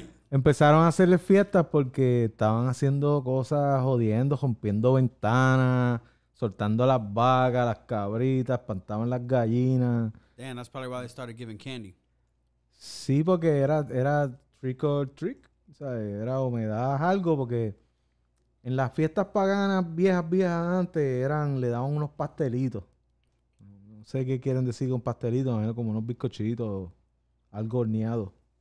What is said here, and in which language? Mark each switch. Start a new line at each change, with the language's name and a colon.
Spanish: Empezaron a hacerle fiestas porque estaban haciendo cosas jodiendo, rompiendo ventanas, soltando las vacas, las cabritas, espantaban las gallinas.
English: Damn, that's probably why they started giving candy.
Spanish: Sí, porque era
English: trick or trick,
Spanish: o sea, era o me das algo, porque en las fiestas paganas viejas antes le daban unos pastelitos. No sé qué quieren decir con pastelitos, era como unos bizcochitos, algo horneado.